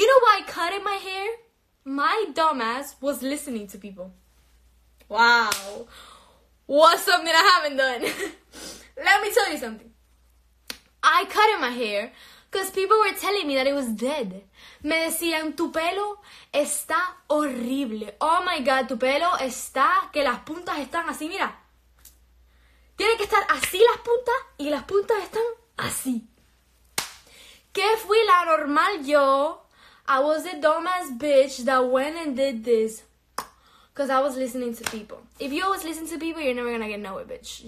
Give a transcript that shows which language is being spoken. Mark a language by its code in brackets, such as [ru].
[en] You know why I cut in my hair? My dumbass was listening to people. Wow. What's something I haven't done? Let me tell you something. I cut in my hair because people were telling me that it was dead. [es] Me decían, tu pelo está horrible. Oh my God, tu pelo está que las puntas están así, mira. Tiene que estar así las puntas y las puntas están así. ¿Qué fui la normal yo? [en] I was the dumbass bitch that went and did this because I was listening to people. If you always listen to people, you're never gonna get nowhere, bitch.